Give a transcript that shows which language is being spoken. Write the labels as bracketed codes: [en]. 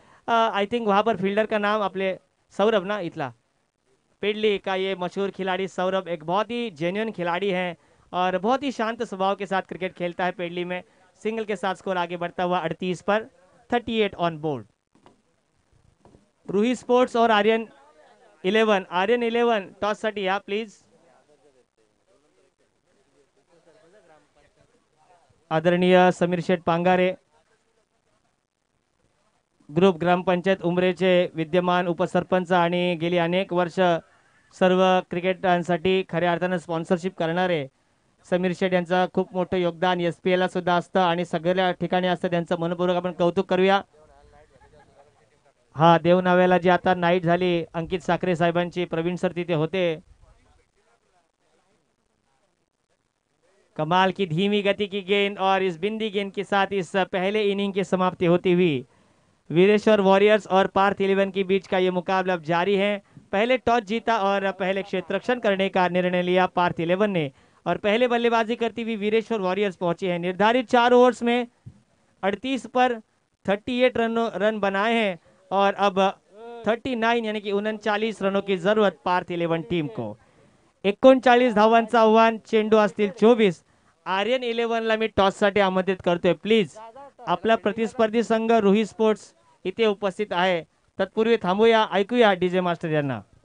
[en] I think [hi] वहां पर fielder का नाम अपने सौरभ ना, इतला पिडली का ये मशहूर खिलाड़ी सौरभ, एक बहुत ही जेन्युइन खिलाड़ी है और बहुत ही शांत स्वभाव के साथ क्रिकेट खेलता है पेडली में। सिंगल के साथ स्कोर आगे बढ़ता हुआ 38 पर 38 ऑन बोर्ड। रूही स्पोर्ट्स और Aryan eleven, Aryan eleven toss सट या प्लीज। [mr] आदरणीय समीर शेठ पांगारे ग्रुप ग्राम पंचायत उमरेचे विद्यमान उपसरपंच आणि गेली अनेक वर्ष सर्व क्रिकेटांसाठी खऱ्या अर्थाने स्पॉन्सरशिप करणारे समीर शेठ यांचं खूप मोठं योगदान एसपीएलला सुद्धा असतं आणि सगळ्या ठिकाणी असतं, त्यांचं मनपूर्वक आपण कौतुक करूया। हा देवनावेला जी आता नाईट झाली, अंकित साखरे साहेबांची, प्रवीण सर तिथे होते। [hi] कमाल की धीमी गति की गेंद और इस बिंदी गेंद के साथ इस पहले इनिंग की समाप्ति होती हुई, वीरेश्वर वॉरियर्स और पार्थ इलेवन के बीच का ये मुकाबला अब जारी है। पहले टॉस जीता और पहले क्षेत्ररक्षण करने का निर्णय लिया पार्थ इलेवन ने, और पहले बल्लेबाजी करती हुई वीरेश्वर वॉरियर्स पहुंची है। निर्धारित 4 ओवर्स में 38 पर 38 रन बनाए हैं और अब 39 यानी कि 39 रनों की जरूरत पार्थ इलेवन टीम को। [mr] 39 धावांचं आव्हान, चेंडू असतील 24। आर्यन इलेवनला मी टॉस साठी आमंत्रित करतोय, प्लीज। आपला प्रतिस्पर्धी संघ रूही स्पोर्ट्स इथे उपस्थित आहे, तत्पूर्वी थांबूया, ऐकूया डीजे मास्टर यांना।